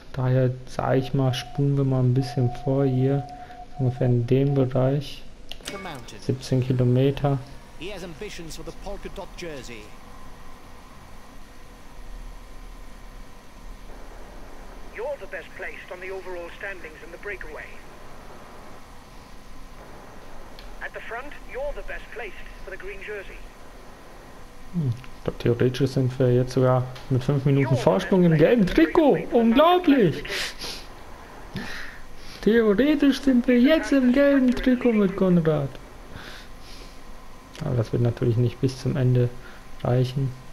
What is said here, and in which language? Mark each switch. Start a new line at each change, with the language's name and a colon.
German: Daher sage ich mal, spulen wir mal ein bisschen vor hier. Ungefähr in dem Bereich. 17 Kilometer.
English: He has ambitions for the polka dot jersey. You're the best placed on the overall standings in the breakaway. At the front, you're the best placed for the green jersey.
German: Ich glaube, theoretisch sind wir jetzt sogar mit 5 Minuten Vorsprung im gelben Trikot. Unglaublich! Theoretisch sind wir jetzt im gelben Trikot mit Konrad. Aber das wird natürlich nicht bis zum Ende reichen.